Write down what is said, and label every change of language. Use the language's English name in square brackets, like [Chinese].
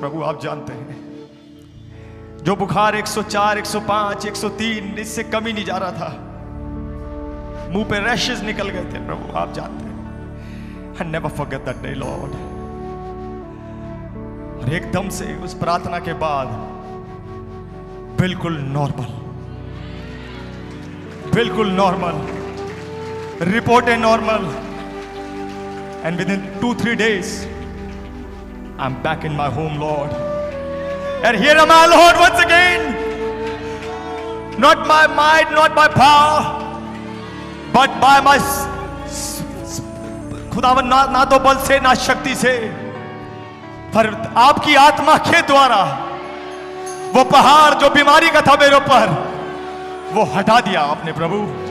[Hindi] प्रभु आप जानते हैं, जो बुखार 104, 105, 103 इससे कमी नहीं जा रहा था, मुंह पे रैशेस निकल गए थे, प्रभु आप जानते हैं. [English] I never forget that day lord. [Hindi] और एकदम से उस प्रार्थना के बाद बिल्कुल नॉर्मल, रिपोर्टें normal. [English] And within 2-3 days, I'm back in my home, Lord. And here am I, Lord, once again. Not by might, not by power, but by my [Hindi] खुदावन, ना तो बल से ना शक्ति से, पर आपकी आत्मा के द्वारा वो पहाड़ जो बीमारी का था मेरे ऊपर, वो हटा दिया आपने प्रभु.